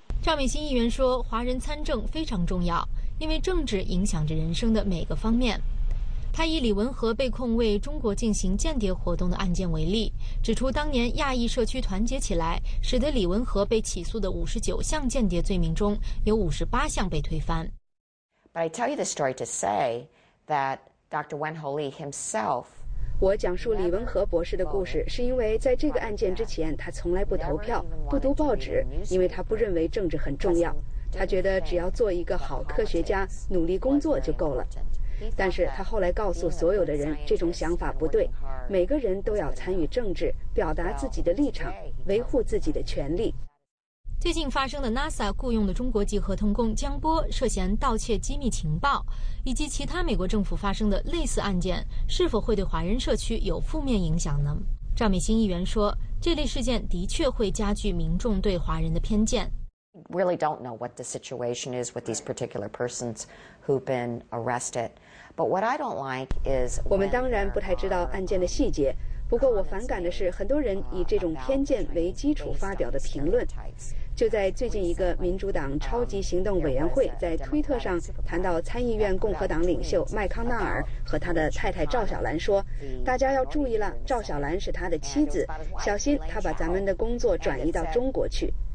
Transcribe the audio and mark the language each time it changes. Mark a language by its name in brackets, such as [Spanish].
[Chinese] 赵美心议员说，华人参政非常重要，因为政治影响着人生的每个方面。他以李文和被控为中国进行间谍活动的案件为例，指出当年亚裔社区团结起来，使得李文和被起诉的59项间谍罪名中有58项被推翻。 [English] But I tell you the story to say that Dr. Wenholi himself。 [Chinese] 我讲述李文和博士的故事，是因为在这个案件之前，他从来不投票、不读报纸，因为他不认为政治很重要。他觉得只要做一个好科学家，努力工作就够了。但是他后来告诉所有的人，这种想法不对，每个人都要参与政治，表达自己的立场，维护自己的权利。最近发生的 NASA 雇佣的中国籍合同工江波涉嫌盗窃机密情报，以及其他美国政府发生的类似案件，是否会对华人社区有负面影响呢？赵美心议员说，这类事件的确会加剧民众对华人的偏见。 [English] Really don't know what the situation is with these particular persons who've been arrested, but what I don't like is. [Chinese] 我们当然不太知道案件的细节，不过我反感的是很多人以这种偏见为基础发表的评论。就在最近，一个民主党超级行动委员会在推特上谈到参议院共和党领袖麦康纳尔和他的太太赵小兰，说大家要注意了，赵小兰是他的妻子，小心他把咱们的工作转移到中国去。